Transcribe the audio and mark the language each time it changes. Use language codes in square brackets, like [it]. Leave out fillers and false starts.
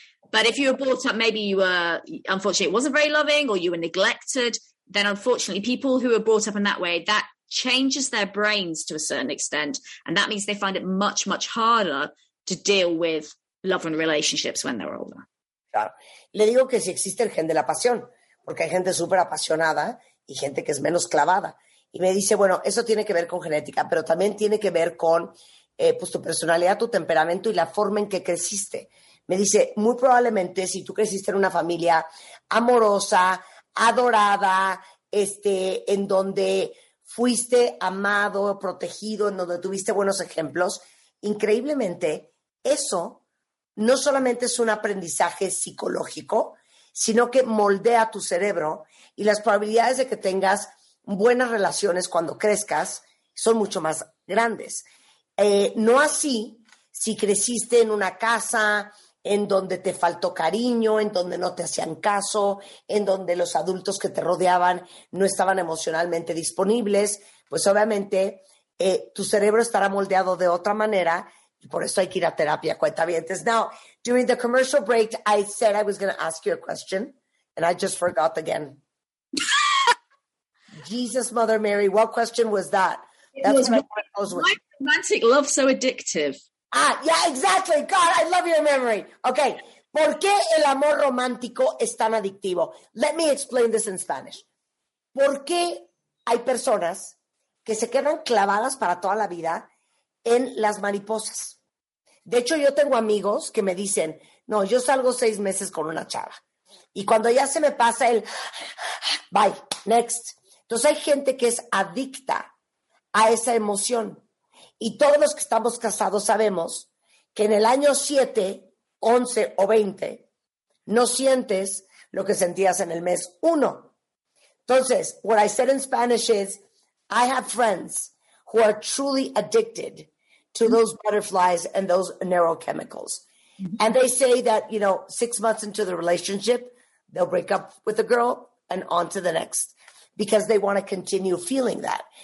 [en] But if you were brought up, maybe you were, unfortunately, it wasn't very loving or you were neglected, then unfortunately, people who are brought up in that way, that changes their brains to a certain extent. And that means they find it much, much harder to deal with love and relationships when they're older. [es] Claro. Le digo que si existe el gen de la pasión, porque hay gente súper apasionada y gente que es menos clavada. Y me dice, bueno, eso tiene que ver con genética, pero también tiene que ver con pues tu personalidad, tu temperamento y la forma en que creciste. Me dice, muy probablemente si tú creciste en una familia amorosa, adorada, en donde fuiste amado, protegido, en donde tuviste buenos ejemplos, increíblemente eso no solamente es un aprendizaje psicológico, sino que moldea tu cerebro y las probabilidades de que tengas buenas relaciones cuando crezcas son mucho más grandes. No así si creciste en una casa en donde te faltó cariño, en donde no te hacían caso, en donde los adultos que te rodeaban no estaban emocionalmente disponibles, pues obviamente tu cerebro estará moldeado de otra manera y por eso hay que ir a terapia, cuentavientes. [en] Now, during the commercial break, I said I was going to ask you a question and I just forgot again. Jesus, Mother Mary, what question was that? Why is romantic love so addictive? Ah, yeah, exactly. God, I love your memory. Okay, [es] ¿Por qué el amor romántico es tan adictivo? [en] Let me explain this in Spanish. [es] ¿Por qué hay personas que se quedan clavadas para toda la vida en las mariposas? De hecho, yo tengo amigos que me dicen, no, yo salgo 6 meses con una chava. Y cuando ya se me pasa el, [en] bye, next. [es] Entonces hay gente que es adicta a esa emoción. Y todos los que estamos casados sabemos que en el año 7, 11 o 20, no sientes lo que sentías en el mes 1. [en] Entonces, what I said in Spanish is, I have friends who are truly addicted to those butterflies and those neurochemicals. And they say that, you know, 6 months into the relationship, they'll break up with the girl and on to the next because they want to continue feeling that.